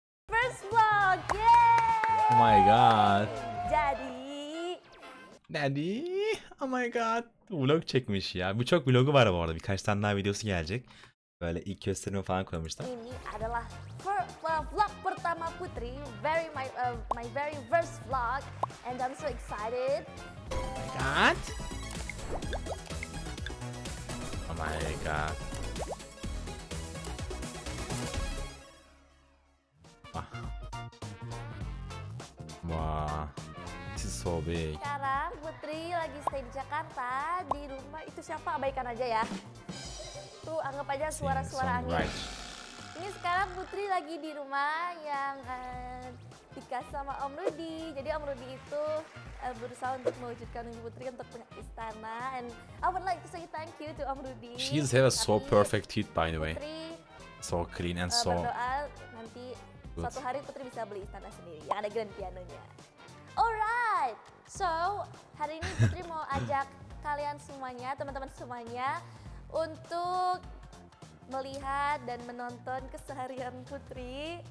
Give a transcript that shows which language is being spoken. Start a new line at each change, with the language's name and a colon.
English: First vlog, yay! Oh my god. Daddy. Daddy. Oh my god.
Turkish: Vlog çekmiş ya. Birçok vlogu var bu arada. Birkaç tane daha videosu gelecek. Böyle ilk gösterimi falan koymuştum.
Indonesian: Ini adalah vlog pertama Putri.
English: Very my very first vlog. And I'm so excited. God. Oh my god.
Indonesian: Sekarang Putri lagi stay di Jakarta, di rumah itu siapa abaikan aja ya. Tuh anggap aja suara-suara angin. Ini sekarang Putri lagi di rumah yang dikasih sama Om Rudi. Jadi Om Rudi itu berusaha untuk mewujudkan mimpi Putri untuk punya istana.
English: And I would like to say thank you to Om Rudi. She's have a so perfect teeth by the way. Putri, so clean and so.
Indonesian: Berdoa nanti good. Suatu hari Putri bisa beli istana sendiri yang ada grand pianonya. Alright, so hari ini Putri mau ajak kalian semuanya, teman-teman semuanya untuk melihat dan menonton keseharian Putri.